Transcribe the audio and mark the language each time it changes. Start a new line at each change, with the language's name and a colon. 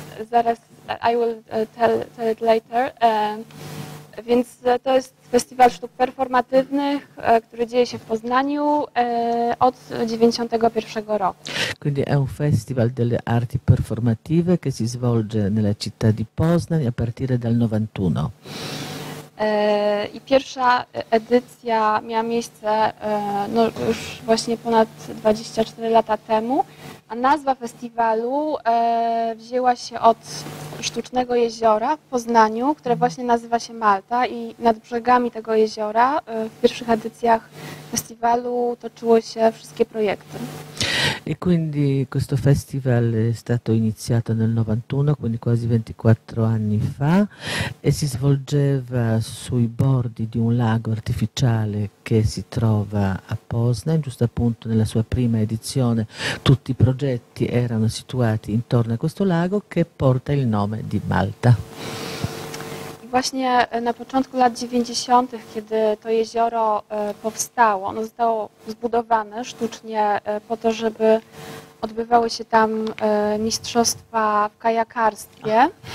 English: Zaraz I will tell it later.
Polish: Więc to jest festiwal sztuk performatywnych, który dzieje się w Poznaniu od 91 roku.
Italian: Quindi è un festival delle arti performative che si svolge nella città di Poznań a partire dal 91.
Polish: I pierwsza edycja miała miejsce no, już właśnie ponad 24 lata temu, a nazwa festiwalu wzięła się od sztucznego jeziora w Poznaniu, które właśnie nazywa się Malta i nad brzegami tego jeziora w pierwszych edycjach festiwalu toczyły się wszystkie projekty.
Italian: E quindi questo festival è stato iniziato nel 91, quindi quasi 24 anni fa, e si svolgeva sui bordi di un lago artificiale che si trova a Poznań, giusto appunto nella sua prima edizione tutti i progetti erano situati intorno a questo lago che porta il nome di Malta.
Polish: Właśnie na początku lat 90., kiedy to jezioro powstało, ono zostało zbudowane sztucznie po to, żeby odbywały się tam mistrzostwa w kajakarstwie.